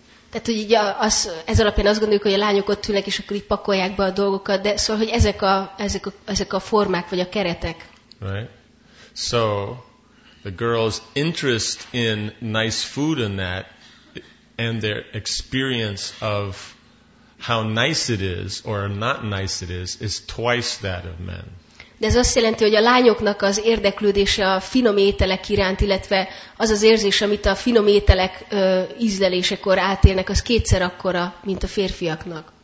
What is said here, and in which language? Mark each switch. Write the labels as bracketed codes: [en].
[hu] Tehát, hogy így az, ez alapján azt gondoljuk, hogy a lányok ott ülnek, és akkor így pakolják be a dolgokat, de szóval, hogy ezek a formák, vagy a keretek. [en] Right. So, the girl's interest in nice food and that, and their experience of how nice it is, or not nice it is twice that of men. [hu] De ez azt jelenti, hogy a lányoknak az érdeklődése a finom ételek iránt, illetve az az érzés, amit a finom ételek ízlelésekor átélnek, az kétszer akkora, mint a férfiaknak.